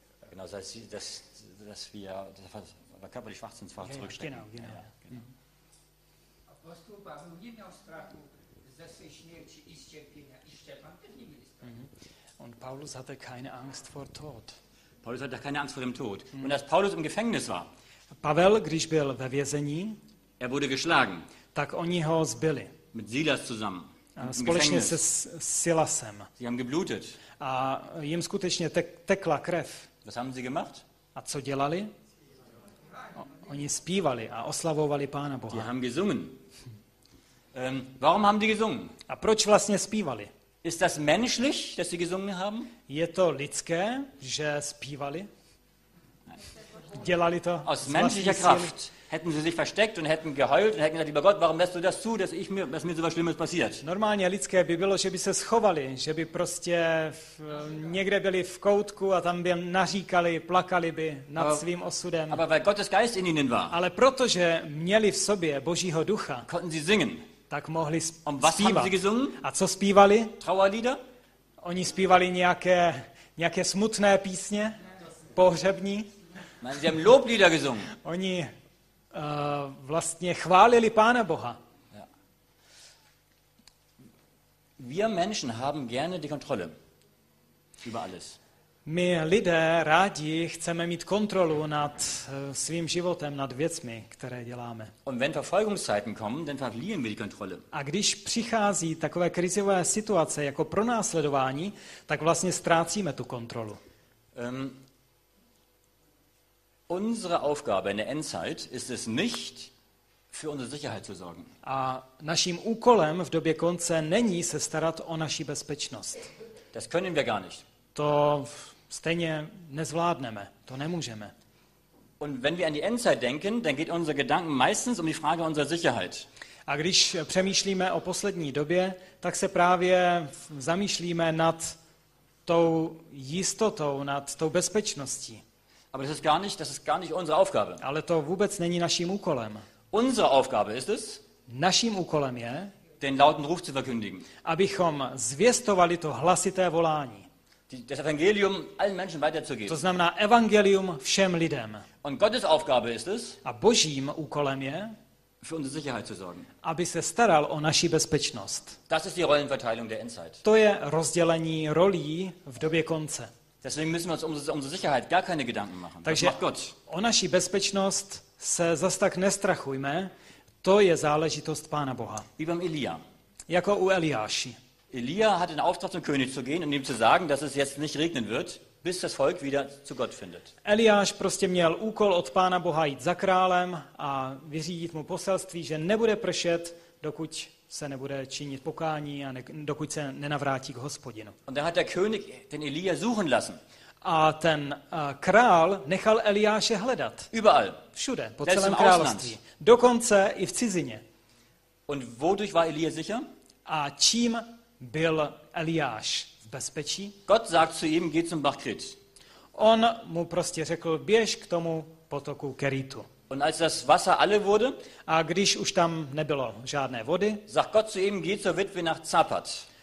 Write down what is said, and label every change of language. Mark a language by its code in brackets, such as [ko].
[de] Genau, dass wir der körperlich schwach sind, zwar zurückstecken. [pl] Apostol Pavel nie miał strachu ze swej śmierci i cierpienia, i Stefan też nie mieli strachu. [de] Und Paulus hatte keine Angst vor Tod. Paulus hatte keine Angst vor dem Tod. Und als Paulus im Gefängnis war, [cs] Pavel, když byl ve vězení, [de] er wurde geschlagen. [cs] Tak oni ho zbili. [de] Mit Silas zusammen. [cs] Společně se Silasem. [de] Sie haben geblutet. [cs] A jim skutečně tekla krev. [de] Was haben sie gemacht? [cs] A co dělali? Oni zpívali a oslavovali Pána Boha. [de] Die haben gesungen. Warum haben die gesungen? [cs] A proč vlastně zpívali? [de] Ist das menschlich, dass sie gesungen haben? [cs] Je to lidské, že zpívali? Dělali to? [de] Aus menschlicher Kraft. Hätten sie sich versteckt und hätten geheult und hätten gesagt, lieber Gott, warum lässt du das zu, dass mir so was Schlimmes passiert? [cs] Normálně lidské by bylo, že by se schovali, že by prostě někde byli v koutku a tam by naříkali, plakali by nad svým osudem. [de] Aber weil Gottes Geist in ihnen war. [cs] Ale protože měli v sobě Božího ducha, [de] konnten sie singen. [cs] Tak mohli zpívat. [de] Und was haben sie gesungen? [cs] A co zpívali? [de] Trauerlieder? [cs] Oni zpívali nějaké smutné písně, pohřební. [de] Nein, sie haben Loblieder gesungen. [cs] Oni vlastně chválili Pána Boha. [de] Ja. Wir Menschen haben gerne die Kontrolle über alles. [cs] My lidé rádi chceme mít kontrolu nad svým životem, nad věcmi, které děláme. [de] Und wenn Verfolgungszeiten kommen, dann verlieren wir die Kontrolle. [cs] A když přichází takové krizové situace jako pronásledování, tak vlastně ztrácíme tu kontrolu. [de] Unsere Aufgabe in der Endzeit ist es nicht, für unsere Sicherheit zu sorgen. [cs] A naším úkolem v době konce není se starat o naši bezpečnost. [de] Das können wir gar nicht. [cs] To stejně nezvládneme, to nemůžeme. [de] Und wenn wir an die Endzeit denken, dann geht unsere Gedanken meistens um die Frage unserer Sicherheit. [cs] A když přemýšlíme o poslední době, tak se právě zamýšlíme nad tou jistotou, nad tou bezpečností. [de] Aber das ist gar nicht unsere Aufgabe. [cs] Ale to vůbec není naším úkolem. [de] Unsere Aufgabe ist es, [cs] naším úkolem je, [de] den lauten Ruf zu verkündigen. [cs] Abychom zvěstovali to hlasité volání. [de] Das Evangelium allen Menschen weiterzugeben. [cs] To znamená evangelium všem lidem. [de] Und Gottes Aufgabe ist es, [cs] a Božím úkolem je, [de] für unsere Sicherheit zu sorgen. [cs] Aby se staral o naši bezpečnost. [de] Das ist die Rollenverteilung der Endzeit. [cs] To je rozdělení rolí v době konce. [de] Deswegen müssen wir uns um unsere Sicherheit gar keine Gedanken machen. [cs] Takže [de] das macht Gott. [cs] O naši bezpečnost se zas tak nestrachujme, to je záležitost Pána Boha. [de] Wie beim Elia. [cs] Jako u Eliáši. [de] Elia hat den Auftrag zum König zu gehen und ihm zu sagen, dass es jetzt nicht regnen wird, bis das Volk wieder zu Gott findet. [cs] Eliáš prostě měl úkol od Pána Boha jít za králem a vyřídit mu poselství, že nebude pršet, dokud se nebude činit pokání a dokud se nenavrátí k Hospodinu. [de] Und dann hat der König den Elia suchen lassen. [cs] A ten král nechal Eliáše hledat. [de] Überall. [cs] Všude, po celém království. Dokonce i v cizině. [de] Und wodurch war Elia sicher? [cs] A čím byl Eliáš v bezpečí? [de] Gott sagt zu ihm, geh zum Bach Krit. [cs] On mu prostě řekl, běž k tomu potoku Keritu. [de] Und als das Wasser alle wurde, [cs] a když už tam nebylo žádné vody, [de] sagt Gott zu ihm, geh zur Witwe nach Zapat.